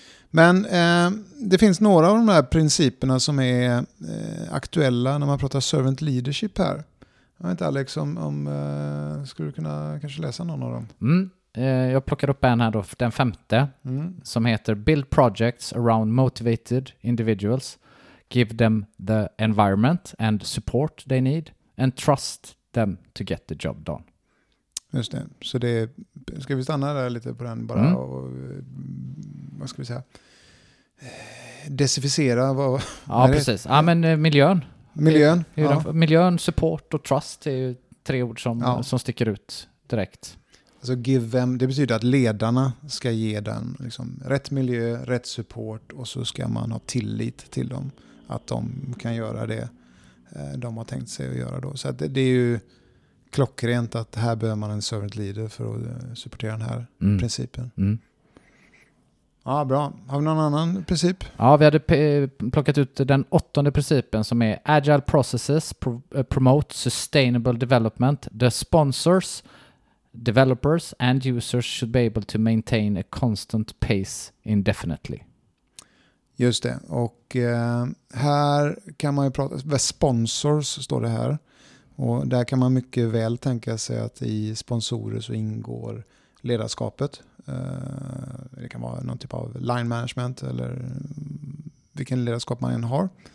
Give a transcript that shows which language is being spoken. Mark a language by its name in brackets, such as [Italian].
[Swedish] Men det finns några av de här principerna som är aktuella när man pratar servant leadership här. Jag vet inte, Alex, om skulle du kunna kanske läsa någon av dem? Mm. Jag plockar upp en här då, den femte, som heter [English] Build projects around motivated individuals. Give them the environment and support they need. And trust them to get the job done. [Swedish] Just det. Så det är, ska vi stanna där lite på den bara och vad ska vi säga? Decificera vad. Ja, precis. Ja, men miljön. Miljön. Miljön, support och trust är ju 3 ord som sticker ut direkt. Alltså [English] give them, [Swedish] det betyder att ledarna ska ge den liksom rätt miljö, rätt support, och så ska man ha tillit till dem att de kan göra det de har tänkt sig att göra då. Så att det är ju klockrent att här behöver man en servant leader för att supportera den här principen. Mm. Ja, bra. Har vi någon annan princip? Ja, vi hade plockat ut den 8:e principen som är [English] Agile processes promote sustainable development. The sponsors, developers and users should be able to maintain a constant pace indefinitely. [Swedish] Just det. Och här kan man ju prata, sponsors står det här. Och där kan man mycket väl tänka sig att i sponsorer så ingår ledarskapet. Det kan vara någon typ av line management eller vilken ledarskap man än har.